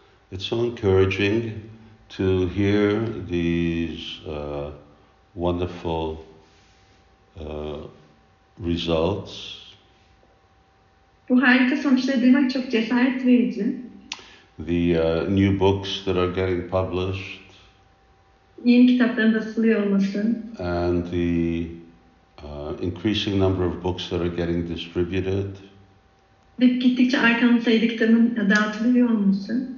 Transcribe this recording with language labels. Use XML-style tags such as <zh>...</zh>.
<en>It's so encouraging to hear these wonderful results.</en> <tr>Bu harika sonuçları duymak çok cesaret verici.</tr> <en>The new books that are getting published.</en> <tr>Yeni kitapların basılıyor olması.</tr> <en>And the increasing number of books that are getting distributed.</en> <tr>Ve gittikçe artan sayıda kitabın dağıtılıyor olması.</tr>